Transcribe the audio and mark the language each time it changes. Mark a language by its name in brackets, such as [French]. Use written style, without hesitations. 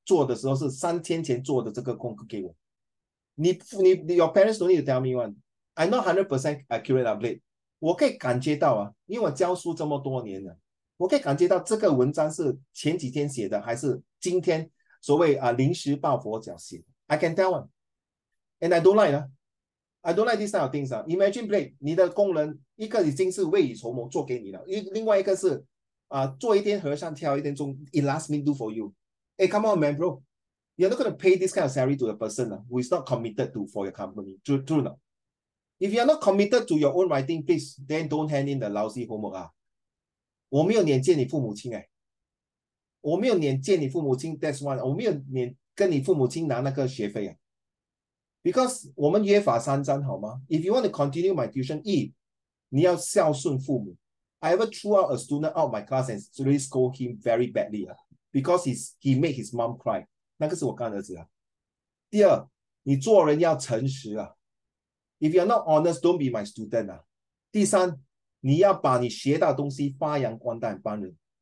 [Chinese] 我不要你写作，我可以知道啊，Blake，我可以知道啊。你是今天做的功课交给我，还是你做的时候是3天前做的这个功课给我？ [English] 你，your parents don't need to tell me one. I'm not 100% accurate, Blake. [Chinese] 我可以感觉到啊，因为我教书这么多年了，我可以感觉到这个文章是前几天写的，还是今天所谓临时抱佛脚写的。 [English] I can tell one. And I don't like 啊。 I don't like these kind of things 啊。 [Chinese] Imagine Blake，你的工人一个已经是未雨绸缪做给你了，另外一个是做一天和尚跳一天钟。 [English] It lets me do for you. Hey, come on, man, bro. You're not going to pay this kind of salary to a person who is not committed to for your company. True or not? If you are not committed to your own writing, please then don't hand in the lousy homework 啊。 [Chinese] 我没有撵见你父母亲哎，我没有撵见你父母亲。 [English] That's why [Chinese] 我没有撵跟你父母亲拿那个学费啊。 Because 我们约法三章，好吗？ [English] If you want to continue my tuition, [Chinese] 一，你要孝顺父母。 [English] I ever threw out a student out of my class and really scold him very badly 啊，because he made his mom cry。 [Chinese] 那个是我干儿子啊。第二，你做人要诚实啊。 [English] If you are not honest, don't be my student 啊。 [Chinese] 第三，你要把你学到的东西发扬光大，帮人。